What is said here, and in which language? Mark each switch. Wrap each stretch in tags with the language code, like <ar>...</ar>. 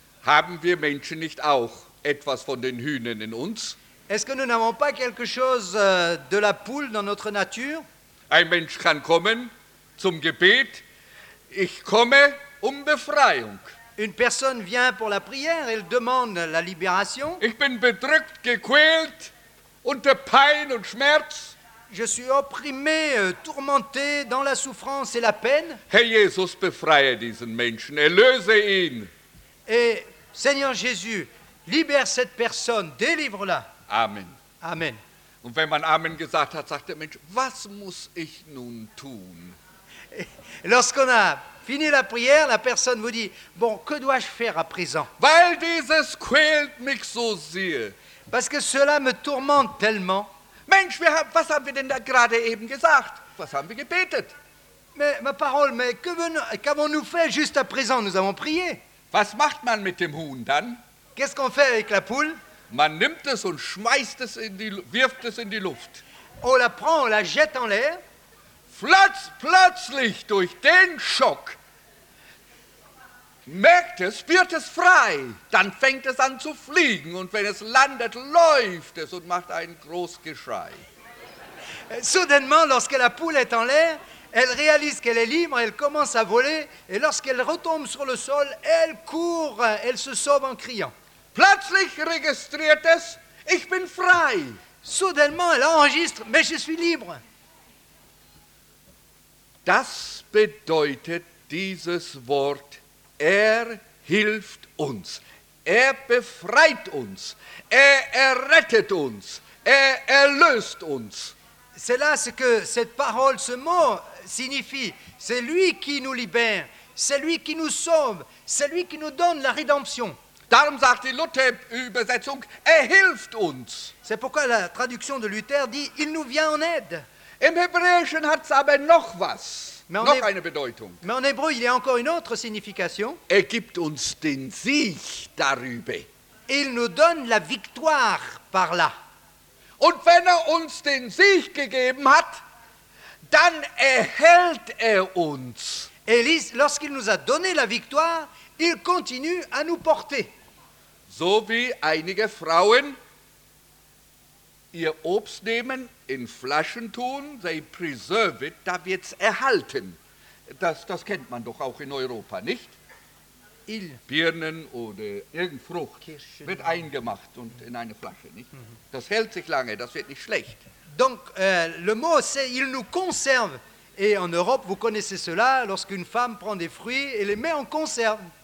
<de>Haben wir Menschen nicht auch etwas von den Hühnern in uns?</de> <fr>Est-ce que nous n'avons pas quelque chose de la poule dans notre nature?</fr> <de>Ein Mensch kann kommen zum Gebet. Ich komme um Befreiung.</de> <fr>Une personne vient pour la prière, elle demande la libération.</fr> <de>Ich bin bedrückt, gequält, unter Pein und Schmerz.</de> <fr>Je suis opprimé, tourmenté dans la souffrance et la peine.</fr> <de>Herr Jesus, befreie diesen Menschen, erlöse ihn.</de> <fr>Et Seigneur Jésus, libère cette personne, délivre-la.</fr> <de>Amen.</de> <fr>Amen.</fr> <de>Und wenn man Amen gesagt hat, sagt der Mensch, was muss ich nun tun?</de> <fr>Lorsqu'on a fini la prière, la personne vous dit, bon, que dois-je faire à présent?</fr> <de>Weil dieses quält mich so sehr.</de> <fr>Parce que cela me tourmente tellement.</fr> <de>Mensch, was haben wir denn da gerade eben gesagt? Was haben wir gebetet?</de> <fr>Mais, ma parole, mais qu'avons-nous fait juste à présent? Nous avons prié.</fr> <de>Was macht man mit dem Huhn dann?</de> <fr>Qu'est-ce qu'on fait avec la poule?</fr> <de>Man nimmt es und schmeißt es in die, wirft es in die Luft.</de> <fr>On la prend, on la jette en l'air.</fr> <de>Plötzlich durch den Schock merkt es, wird es frei. Dann fängt es an zu fliegen und wenn es landet, läuft es und macht ein großes Geschrei.</de> <fr>Soudainement, lorsque la poule est en l'air, elle réalise qu'elle est libre, elle commence à voler et lorsqu'elle retombe sur le sol, elle court, elle se sauve en criant.</fr> <de>Plötzlich registriert es, ich bin frei.</de> <fr>Soudainement, elle enregistre, mais je suis libre.</fr> <de>Das bedeutet dieses Wort, er hilft uns, er befreit uns, er errettet uns, er erlöst uns.</de> <fr>C'est là ce que cette parole, ce mot signifie. C'est lui qui nous libère, c'est lui qui nous sauve, c'est lui qui nous donne la rédemption.</fr> <de>Darum sagt die Luther-Übersetzung, er hilft uns.</de> <fr>C'est pourquoi la traduction de Luther dit, il nous vient en aide.</fr> <de>Im Hebräischen hat es aber noch was, eine Bedeutung.</de> <fr>Mais en hébreu, il y a encore une autre signification.</fr> <de>Er gibt uns den Sieg darüber.</de> <fr>Il nous donne la victoire par là.</fr> <de>Und wenn er uns den Sieg gegeben hat, dann erhält er uns.</de> <fr>Et lorsqu'il nous a donné la victoire, il continue à nous porter.</fr> <de>So wie einige Frauen ihr Obst nehmen, in Flaschen tun,</de> <en>they preserve it,</en> <de>da wird's erhalten. Das kennt man doch auch in Europa, nicht? Birnen oder irgendeine Frucht Kirschen wird eingemacht und in eine Flasche, nicht? Das hält sich lange, das wird nicht schlecht.</de> <fr>Donc, le mot, c'est, il nous conserve. Et en Europe, vous connaissez cela, lorsqu'une femme prend des fruits et les met en conserve.</fr>